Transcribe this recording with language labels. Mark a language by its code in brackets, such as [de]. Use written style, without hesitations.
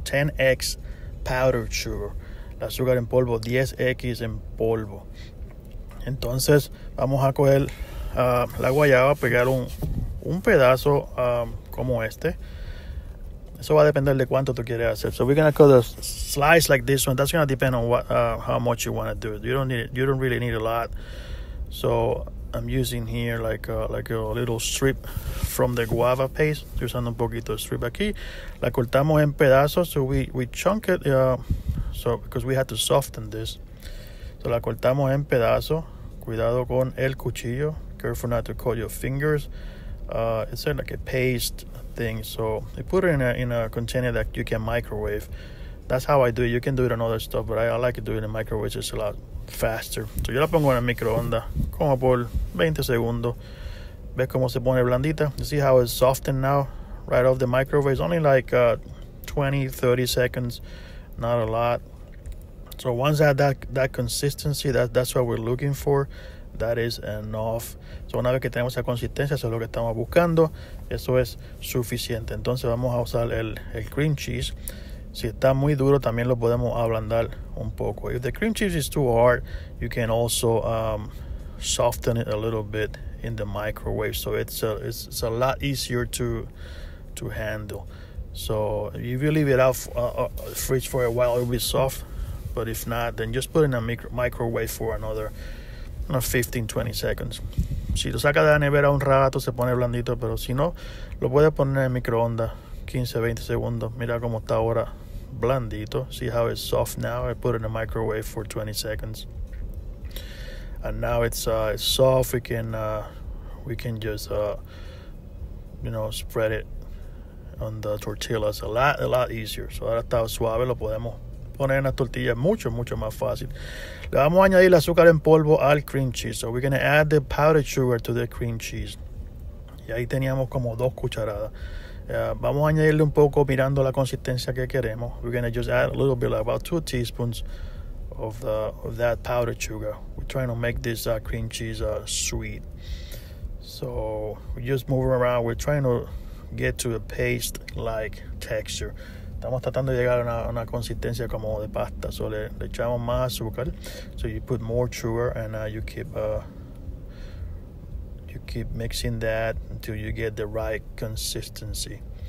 [en] 10x powdered sugar. [es] La azúcar en polvo, 10x en polvo. Entonces vamos a coger la guayaba, pegar un pedazo como este. Eso va a depender de cuánto tú quieres hacer. [en] So we're going to cut a slice like this one. That's going to depend on what how much you want to do. You don't really need a lot. So I'm using here like a little strip from the guava paste. [es] Estoy usando un poquito de strip aquí. La cortamos en pedazos. [en] So we chunk it so because we had to soften this. [es] So la cortamos en pedazos. Cuidado con el cuchillo. [en] Careful not to cut your fingers. It's like a paste thing, so they put it in a container that you can microwave. That's how I do it. You can do it on other stuff, but I like to do it in microwave. It's a lot faster. [es] So yo la pongo en el microondas como por 20 segundos. Ves como se pone blandita. [en] You see how it's softened now right off the microwave. It's only like 20-30 seconds, not a lot. So once I have that consistency, that's what we're looking for. That is enough. [es] So una vez que tenemos esa consistencia, eso es lo que estamos buscando. Eso es suficiente. Entonces vamos a usar el cream cheese. Si está muy duro, también lo podemos ablandar un poco. [en] If the cream cheese is too hard, you can also soften it a little bit in the microwave. So it's a lot easier to handle. So if you leave it out fridge for a while, it'll be soft. But if not, then just put it in a microwave for another 15-20 seconds. [es] Si lo saca de la nevera un rato, se pone blandito, pero si no, lo puede poner en microondas 15-20 segundos. Mira cómo está ahora blandito. [en] See how it's soft now. I put it in the microwave for 20 seconds. And now it's soft. We can just spread it on the tortillas a lot easier. [es] So ahora está suave, lo podemos poner en las tortillas mucho, mucho más fácil. Le vamos a añadir el azúcar en polvo al cream cheese. [en] So we're going to add the powdered sugar to the cream cheese. [es] Y ahí teníamos como dos cucharadas. Vamos a añadirle un poco mirando la consistencia que queremos. [en] We're going to just add a little bit, like about 2 teaspoons of that powdered sugar. We're trying to make this cream cheese sweet. So we're just moving around. We're trying to get to a paste-like texture. [es] Estamos tratando de llegar a una consistencia como de pasta. So le echamos más azúcar. [en] So you put more sugar and you keep mixing that until you get the right consistency.